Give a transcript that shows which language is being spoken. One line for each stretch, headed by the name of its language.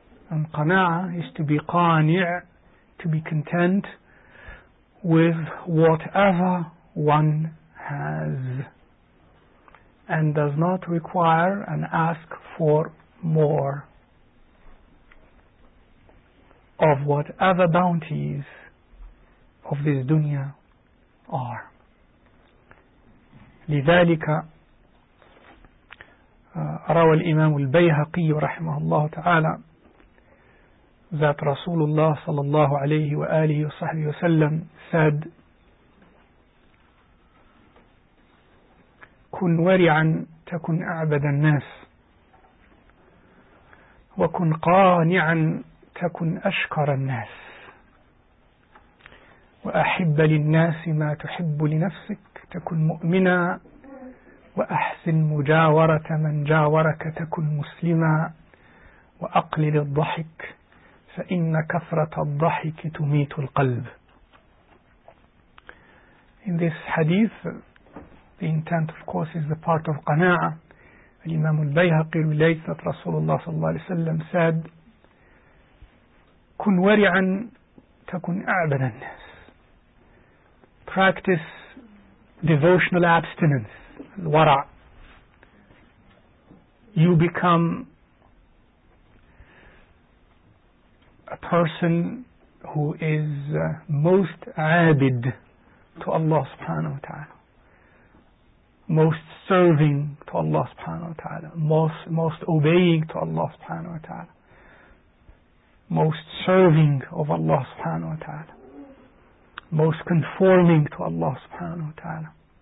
English: And qana'a is to be qani', to be content with whatever one has and does not require and ask for more of whatever bounties of this dunya are.
Arabic: لذلك روى الإمام البيهقي رحمه الله تعالى ذات رسول الله صلى الله عليه وآله وصحبه وسلم
English: said
Arabic: كن ورعا تكن أعبد الناس وكن قانعا تكن أشكر الناس وأحب للناس ما تحب لنفسك تكن مؤمنا وأحسن مجاورة من جاورك تكن مسلما وأقلل الضحك فإن كثرة الضحك تميت القلب.
English: In this hadith, the intent of course is the part of qana'a.
Arabic: الإمام البيهقي
English: relates that
Arabic: Rasulullah صلى الله عليه وسلم
English: said
Arabic: كن ورعا تكن أعبد الناس.
English: Practice devotional abstinence. الورع you become a person who is most abid to Allah subhanahu wa ta'ala, most serving to Allah subhanahu wa ta'ala, most obeying to Allah subhanahu wa ta'ala, most serving of Allah subhanahu wa ta'ala, most conforming to Allah subhanahu wa ta'ala.